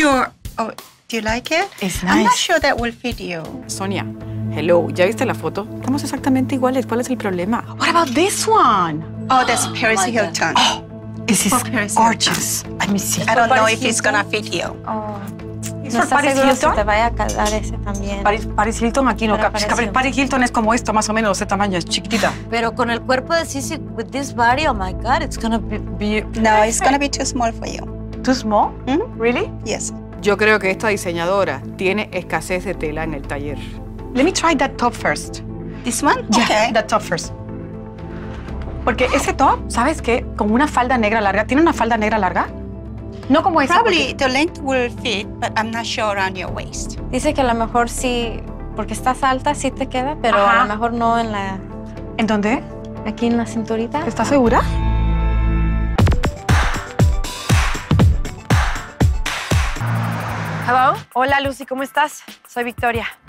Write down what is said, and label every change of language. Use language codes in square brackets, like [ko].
[en] I'm not sure. Oh, do you like it? It's nice. I'm not sure that will fit you. [es] Sonia, hello, ¿ya viste la foto? Estamos exactamente iguales, ¿cuál es el problema? [en] What about this one? Oh, that's Paris Hilton. Oh, this is gorgeous. Let me see. I don't know if it's gonna fit you. Oh. [es] ¿No estás seguro si te vaya a calar ese también? Paris Hilton aquí no cabe. Paris Hilton es como esto, más o menos, de tamaño, es chiquitita. Pero con el cuerpo de Cici, [en] with this body, oh my God, it's gonna be... No, it's gonna be too small for you. Too small? Mm? Really? Yes. [es] Yo creo que esta diseñadora tiene escasez de tela en el taller. [en] Let me try that top first. This one? Yeah, okay. That top first. [es] Porque ese top, ¿sabes qué? Con una falda negra larga. ¿Tiene una falda negra larga? No como esa. [en] Probably the length will fit, but I'm not sure around your waist. [es] Dice que a lo mejor sí, porque estás alta, sí te queda, pero ajá, a lo mejor no en la... ¿En dónde? Aquí en la cinturita. ¿Estás segura? [en] Hello. [es] Hola, Lucy, ¿cómo estás? Soy Victoria.